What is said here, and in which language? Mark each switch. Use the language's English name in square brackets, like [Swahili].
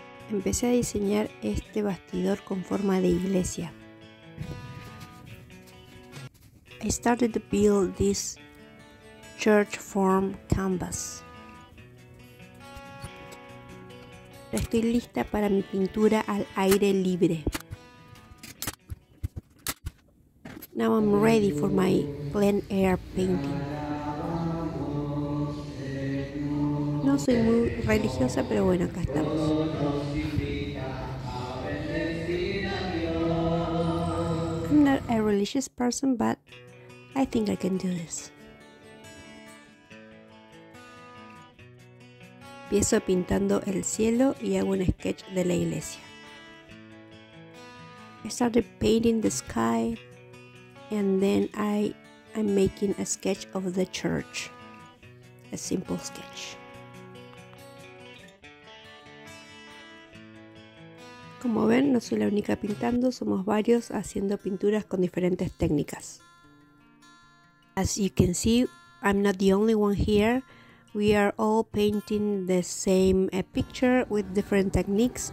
[Spanish] Empecé a diseñar este bastidor con forma de iglesia. [English] I started to build this church form canvas. [Spanish] Estoy lista para mi pintura al aire libre. [English] Now I'm ready for my plein air painting. [Spanish] No soy muy religiosa, pero bueno, acá estamos. [English] I'm not a religious person, but I think I can do this. [Spanish] Empiezo pintando el cielo y hago un sketch de la iglesia. [English] I started painting the sky and then I'm making a sketch of the church. A simple sketch. [Spanish] Como ven, no soy la única pintando, somos varios haciendo pinturas con diferentes técnicas. [English] As you can see, I'm not the only one here. We are all painting the same picture with different techniques.